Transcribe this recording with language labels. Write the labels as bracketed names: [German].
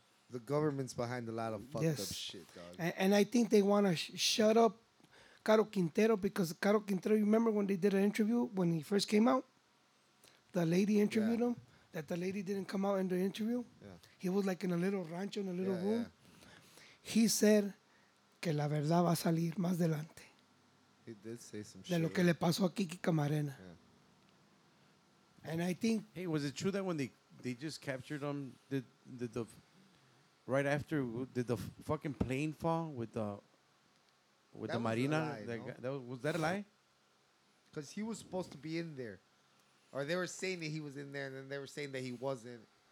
[English] The government's behind a lot of fucked up shit, dog. And I think they want to shut up Caro Quintero because Caro Quintero, you remember when they did an interview when he first came out? The lady interviewed him. That the lady didn't come out in the interview. Yeah. He was like in a little rancho, in a little room. [Spanish] Yeah. [English] He said, [Spanish] que la verdad va a salir más adelante. [English] He did say some [Spanish] de [English] shit. [Spanish] De lo que le pasó a Kiki Camarena. [English] Yeah. And I think... Hey, was it true that when they just captured him, the right after, did the fucking plane fall with the Marina? Was that a lie? Because he was supposed to be in there. Or they were saying that he was in there, and then they were saying that he wasn't.